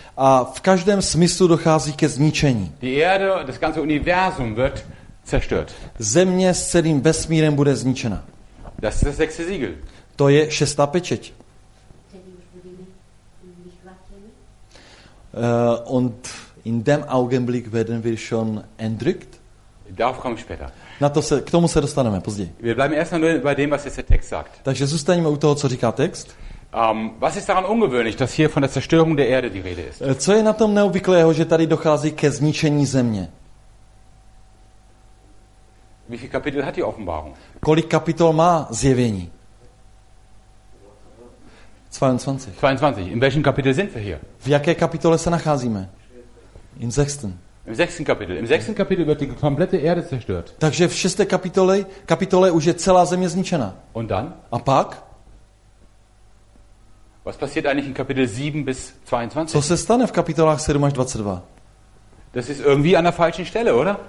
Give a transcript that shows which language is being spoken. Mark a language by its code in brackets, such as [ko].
[cs] A v každém smyslu dochází ke zničení. [de] Die Erde, das ganze Universum wird zerstört. [cs] Země s celým vesmírem bude zničena. [de] Das ist das sechste Siegel. [cs] To je šestá pečeť. [de] Und in dem Augenblick werden wir schon entrückt. Darauf komme ich später. [cs] Na to se, k tomu se dostaneme později. [de] Wir bleiben erst mal bei dem, was jetzt der Text sagt. [cs] Takže zůstaneme u toho, co říká text. [de] Was ist daran ungewöhnlich, dass hier von der Zerstörung der Erde die Rede ist? [cs] Co je na tom neobvyklého, že tady dochází ke zničení země? [de] Wie viele Kapitel hat die Offenbarung? [cs] Kolik kapitol má zjevení? [de] 22. [cs] 22. [de] In welchem Kapitel sind wir hier? [cs] V jaké kapitole se nacházíme? [de] In 6. Im 6. Kapitel. Im 6. Kapitel wird die komplette Erde zerstört. [cs] Takže v 6. kapitole už je celá země zničena. [de] Und dann? [cs] A pak? [de] Was passiert eigentlich in Kapitel 7 bis 22? [cs] Co se stane v kapitolách 7 až 22? [de] Das ist irgendwie an der falschen Stelle, oder?